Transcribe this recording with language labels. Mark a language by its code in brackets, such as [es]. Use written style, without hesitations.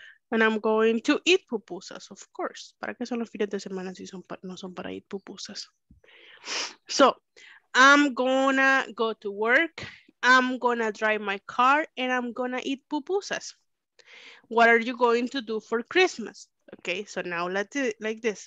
[en] And I'm going to eat pupusas, of course. [es] ¿Para qué son los fines de semana si son no son para [en] eat [es] pupusas? [en] So, I'm gonna go to work, I'm gonna drive my car, and I'm gonna eat pupusas. What are you going to do for Christmas? Okay, so now let's do it like this.